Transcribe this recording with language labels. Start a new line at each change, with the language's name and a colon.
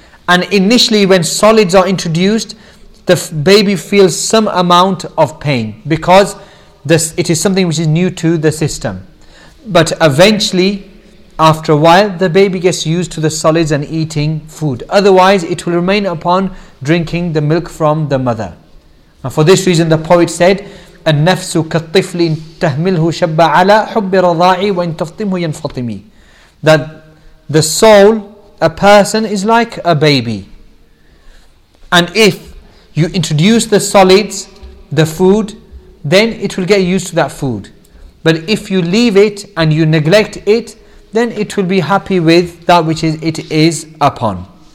English: And initially when solids are introduced, the baby feels some amount of pain because it is something which is new to the system. But eventually, after a while, the baby gets used to the solids and eating food. Otherwise, it will remain upon drinking the milk from the mother. And for this reason, the poet said,
Arabic: "النَّفْسُ كَالطِّفْلٍ تَهْمِلْهُ شَبَّ عَلَى حُبِّ رَضَاعِي وَإِن تَفْطِمْهُ يَنْفَطِمِي."
English: That the soul, a person, is like a baby. And if you introduce the solids, the food, then it will get used to that food. But if you leave it and you neglect it, then it will be happy with that which it is upon.